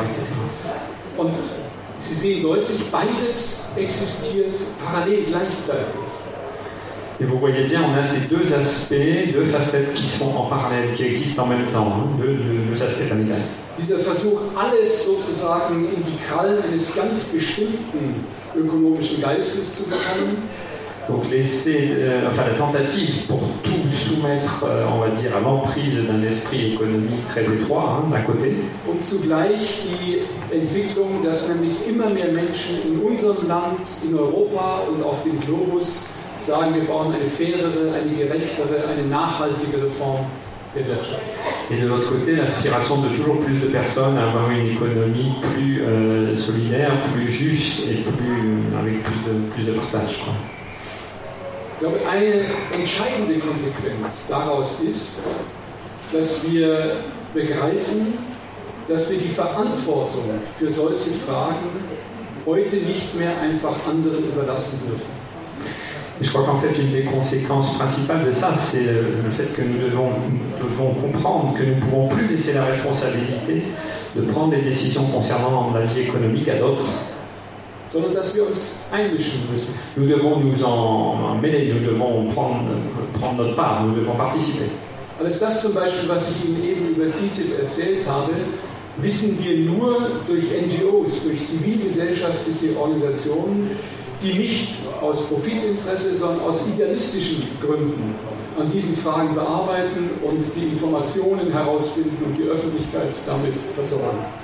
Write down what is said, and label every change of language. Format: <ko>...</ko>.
<fr>etc.</fr> <de>Und Sie sehen deutlich, beides existiert parallel gleichzeitig.</de> <fr>Et vous voyez bien, on a ces deux aspects, deux facettes qui sont en parallèle, qui existent en même temps, hein, deux aspects de la médaille.</fr> <de>Dieser Versuch, alles sozusagen in die Krallen eines ganz bestimmten ökonomischen Geistes zu bekommen.</de> <fr>Donc laisser, enfin la tentative pour tout soumettre, on va dire, à l'emprise d'un esprit économique très étroit, hein, d'un côté.</fr> <de>Und zugleich die Entwicklung, dass nämlich immer mehr Menschen in unserem Land, in Europa und auf dem Globus sagen, wir brauchen eine fairere, eine gerechtere, eine nachhaltigere Form der Wirtschaft.</de> <fr>Et de l'autre côté, l'aspiration de toujours plus de personnes à avoir une économie plus solidaire, plus juste et plus, avec plus de partage.</fr> <de>Ich glaube, eine entscheidende Konsequenz daraus ist, dass wir begreifen, dass wir die Verantwortung für solche Fragen heute nicht mehr einfach anderen überlassen dürfen.</de> <fr>Et je crois qu'en fait, une des conséquences principales de ça, c'est le fait que nous devons comprendre que nous ne pouvons plus laisser la responsabilité de prendre des décisions concernant la vie économique à d'autres.</fr> <de>Sondern dass wir uns einmischen müssen.</de> <fr>Nous devons nous en mêler, nous devons prendre notre part, nous devons participer.</fr> <de>Alors, das zum Beispiel, was ich Ihnen eben über TTIP erzählt habe, wissen wir nur durch NGOs, durch zivilgesellschaftliche Organisationen, die nicht aus Profitinteresse, sondern aus idealistischen Gründen an diesen Fragen bearbeiten und die Informationen herausfinden und die Öffentlichkeit damit versorgen.</de>